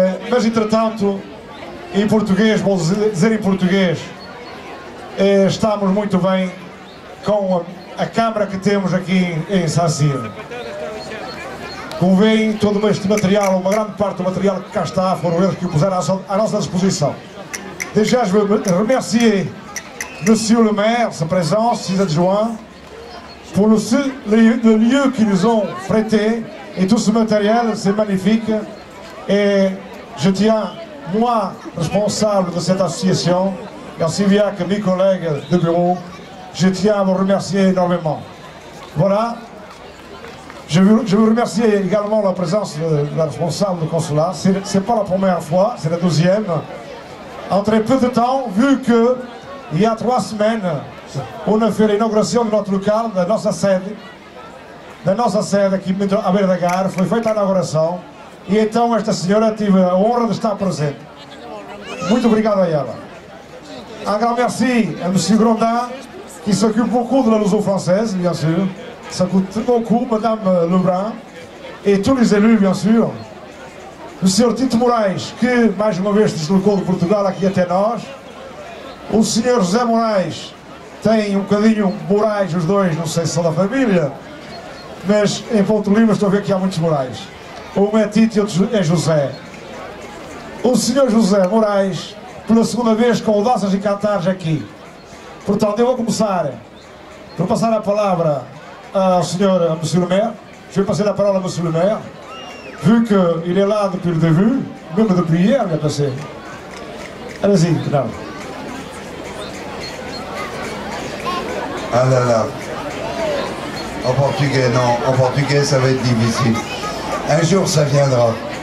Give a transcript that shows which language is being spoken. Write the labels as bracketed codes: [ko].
[pt] Mas, entretanto, em português, vou dizer em português, estamos muito bem com a câmara que temos aqui em Sacir. Como veem, todo este material, uma grande parte do material que cá está, foram eles que o puseram à nossa disposição. [fr] Déjà, je veux remercier Monsieur le maire, sa présence, ses adjoints, pour le lieu qu'ils nous ont prêté, et tout ce matériel, c'est magnifique. Et je tiens, moi, responsable de cette association, ainsi bien que mes collègues de bureau, je tiens à vous remercier énormément. Voilà. Je veux remercier également la présence de la responsable du consulat. Ce n'est pas la première fois, c'est la deuxième. En très peu de temps, vu qu'il y a trois semaines, on a fait l'inauguration de notre local, de notre sede, qui est à Berdagar, [pt] foi feita a inauguração. E então esta senhora tive a honra de estar presente. Muito obrigado a ela. [fr] Un grand merci à M. Grondin, qui s'occupe beaucoup de la Luso française, bien sûr. Ça coûte beaucoup, Madame Lebrun, et tous les élus, bien sûr. [pt] O Sr. Tito Moraes, que mais uma vez deslocou de Portugal aqui até nós. O Sr. José Moraes tem um bocadinho Moraes, os dois, não sei se são da família, mas em Ponte Lima estou a ver que há muitos Moraes. Um é Tito e outro é José. O Sr. José Moraes, pela segunda vez com danças e cantares aqui. Portanto, eu vou começar por passar a palavra ao Sr. Monsieur Le Maire. Deixa eu passar a palavra ao Monsieur Le Maire. [fr] Vu que il est là depuis le début, même depuis hier, il est passé. Allez-y, non. Ah là là. En portugais, non. En portugais, ça va être difficile. Un jour, ça viendra.